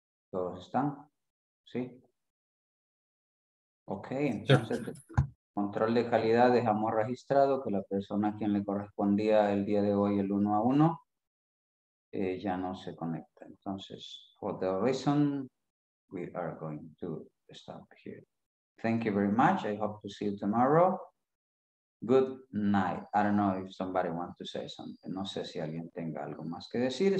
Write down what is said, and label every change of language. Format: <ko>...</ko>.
<es>¿Todos están? ¿Sí? Ok, entonces, sí. Control de calidad, dejamos registrado que la persona a quien le correspondía el día de hoy, el 1-1, ya no se conecta. Entonces,</es> <en>for the reason, we are going to stop here. Thank you very much. I hope to see you tomorrow. Good night. I don't know if somebody wants to say something.</en> <es>No sé si alguien tenga algo más que decir.</es>